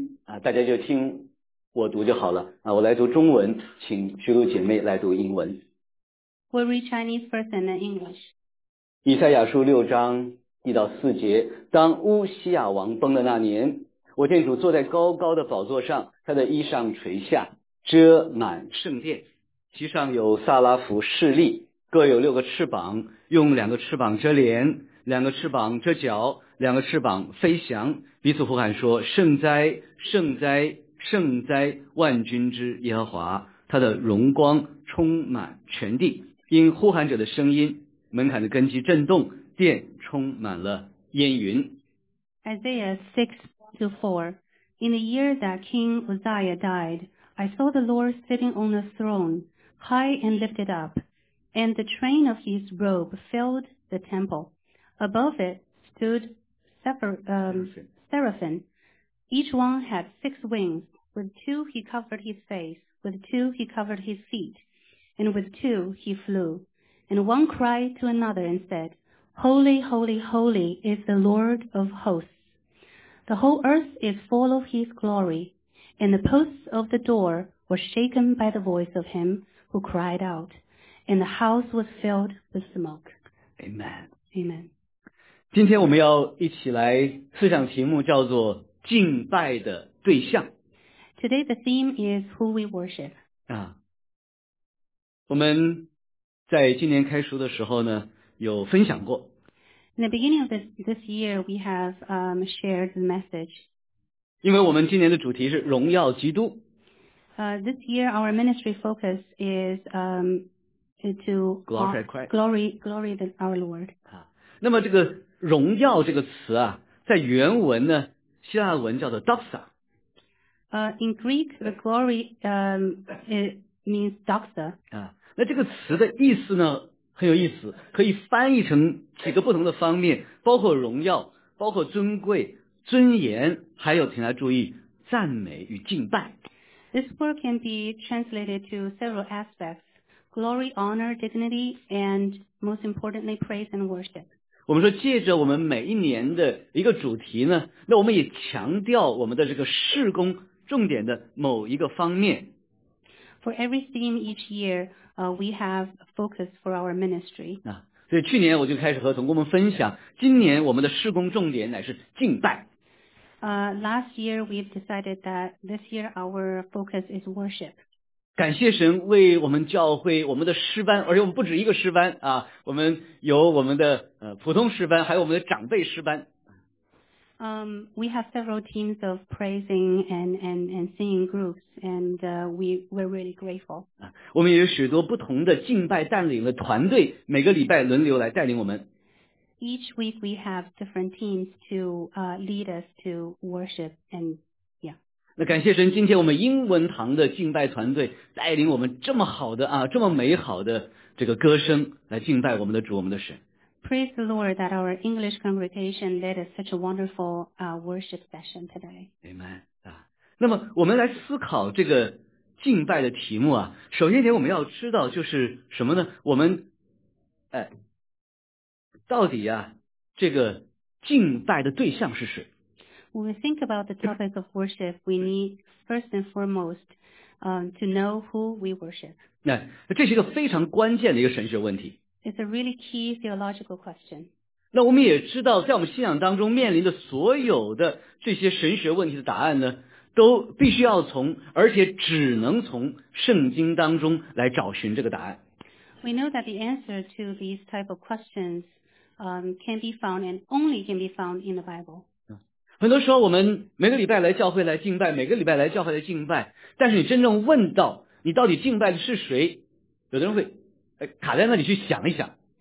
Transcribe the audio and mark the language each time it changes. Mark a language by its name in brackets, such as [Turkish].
[Chinese] 啊，大家就听我读就好了啊，我来读中文，请许多姐妹来读英文。 [English] We'll read Chinese first and then English. [Chinese] 以赛亚书六章一到四节，当乌西亚王崩的那年，我见主坐在高高的宝座上，他的衣裳垂下，遮满圣殿，其上有撒拉弗侍立，各有六个翅膀，用两个翅膀遮脸。两个翅膀遮脚，两个翅膀飞翔，彼此呼喊说：“圣哉，圣哉，圣哉！万军之耶和华，他的荣光充满全地。” 因呼喊者的声音，门槛的根基震动，殿充满了烟云。 [English] Isaiah 6:4. In the year that King Uzziah died, I saw the Lord sitting on the throne, high and lifted up, and the train of his robe filled the temple. Above it stood seraphim. Each one had six wings. With two he covered his face, with two he covered his feet, and with two he flew. And one cried to another and said, Holy, holy, holy is the Lord of hosts. The whole earth is full of his glory, and the posts of the door were shaken by the voice of him who cried out, and the house was filled with smoke. Amen. Amen. [Chinese] 今天我们要一起来思想题目叫做敬拜的对象。 [English] Today the theme is who we worship. [Chinese] 啊，我们在今年开书的时候呢，有分享过。 [English] In the beginning of this year, we have shared the message. [Chinese] 因为我们今年的主题是荣耀基督。 [English] This year our ministry focus is to glorify Christ. Glory our Lord. [Chinese] 啊，那么这个荣耀这个词啊，在原文呢，希腊文叫做 doxa。 [English] In Greek, the glory it means doxa. [Chinese] 啊，那这个词的意思呢，很有意思，可以翻译成几个不同的方面，包括荣耀，包括尊贵、尊严，还有请大家注意，赞美与敬拜。 [English] This word can be translated to several aspects: glory, honor, dignity, and most importantly, praise and worship. [Chinese] 我们说借着我们每一年的一个主题呢，那我们也强调我们的这个事工重点的某一个方面。 [English] For every theme each year, we have a focus for our ministry. [Chinese] 啊，所以去年我就开始和同工们分享，今年我们的事工重点乃是敬拜。 [English] Last year we've decided that this year our focus is worship. [Chinese] 感谢神为我们教会我们的诗班，而且我们不止一个诗班啊，我们有我们的普通诗班，还有我们的长辈诗班。 [English] We have several teams of praising and singing groups, and we're really grateful. [Chinese] 啊，我们也有许多不同的敬拜带领的团队，每个礼拜轮流来带领我们。 [English] Each week we have different teams to lead us to worship and. [Chinese] 那感谢神，今天我们英文堂的敬拜团队带领我们这么好的啊，这么美好的这个歌声来敬拜我们的主，我们的神。 [English] Praise the Lord that our English congregation led us such a wonderful worship session today. Amen. [Chinese] 啊，那么我们来思考这个敬拜的题目啊。首先一点我们要知道就是什么呢？我们到底啊，这个敬拜的对象是谁？ [English] When we think about the topic of worship, we need first and foremost, to know who we worship. [Chinese] 那这是一个非常关键的一个神学问题。 [English] It's a really key theological question. [Chinese] 那我们也知道，在我们信仰当中面临的所有的这些神学问题的答案呢，都必须要从，而且只能从圣经当中来找寻这个答案。 [English] We know that the answer to these type of questions, can be found and only can be found in the Bible. [Chinese] 很多时候我们每个礼拜来教会来敬拜，每个礼拜来教会来敬拜，但是你真正问到你到底敬拜的是谁，有的人会卡在那里去想一想。